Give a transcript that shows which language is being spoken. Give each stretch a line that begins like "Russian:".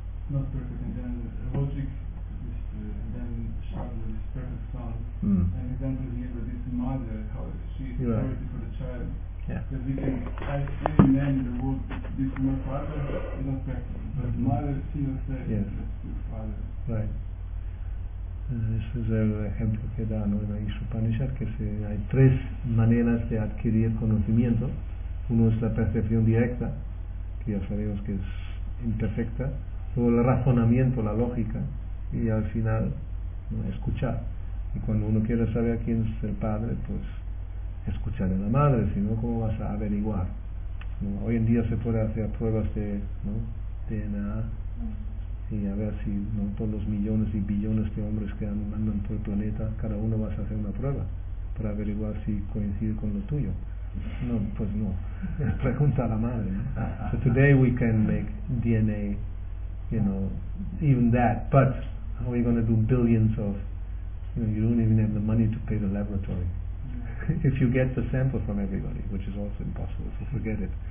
English: Not perfect, and then logic is, and then Shabda is perfect sound. And then to hear that this mother, how she is authority for the child. Yeah. Because we can, I see in the world, this is my father, is not perfect. But mother, she will say, yes, your father. Right.
Spanish: Ese es el ejemplo que da, ¿no?, en la Upanishad, que hay tres maneras de adquirir conocimiento. Uno es la percepción directa, que ya sabemos que es imperfecta. Luego el razonamiento, la lógica. Y al final, ¿no?, escuchar. Y cuando uno quiere saber quién es el padre, pues escuchar a la madre, si no, ¿cómo vas a averiguar? ¿No? Hoy en día se puede hacer pruebas de, ¿no?, DNA. Y a ver si, ¿no?, todos los millones y billones de hombres que andan por el planeta, cada uno vas a hacer una prueba para averiguar si coincide con lo tuyo. No, pues no. Pregunta a la madre, ¿no?
English: So today we can make DNA, you know, even that, but how are you going to do billions of, you know, you don't even have the money to pay the laboratory. If you get the sample from everybody, which is also impossible, so forget it.